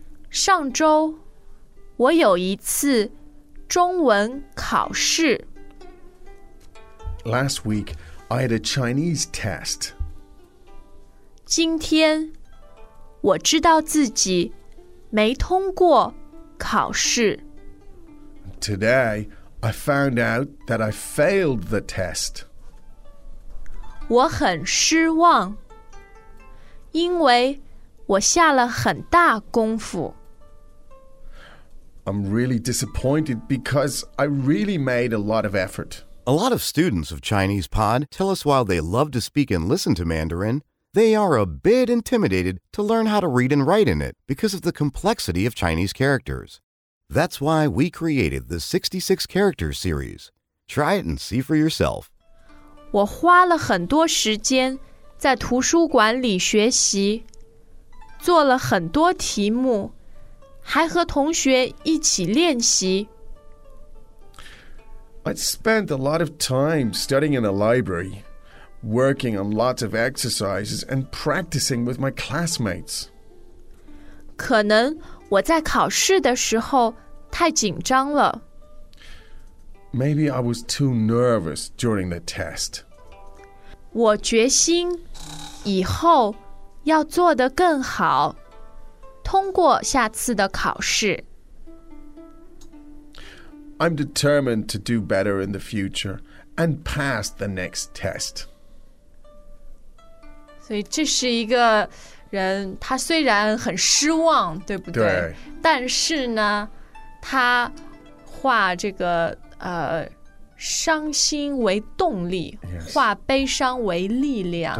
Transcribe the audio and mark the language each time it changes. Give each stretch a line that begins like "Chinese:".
Chinese: 上周我有一次中文考试。
English: Last week, I had a Chinese test.
Chinese: 今天我知道自己没通过考试。
English: Today, I found out that I failed the test.
Chinese: 我很失望，因为我下了很大功夫。
English: I'm really disappointed because I really made a lot of effort. A lot of students of Chinese Pod tell us while they love to speak and listen to Mandarin, they are a bit intimidated to learn how to read and write in it because of the complexity of Chinese characters. That's why we created the 66 character series. Try it and see for yourself.
Chinese: 我花了很多时间在图书馆里学习，做了很多题目，还和同学一起练习。
English: I spent a lot of time studying in the library, working on lots of exercises and practicing with my classmates.
Chinese: 可能我在考试的时候太紧张了。
English: Maybe I was too nervous during the test.
Chinese: 我决心以后要做得更好。通过下次的考试。
English: I'm determined to do better in the future and pass the next test.
Chinese: 所以这是一个人，他虽然很失望，对不对？对。但是呢，他化这个伤心为动力，
English: yes.
Chinese: 化悲伤为力量。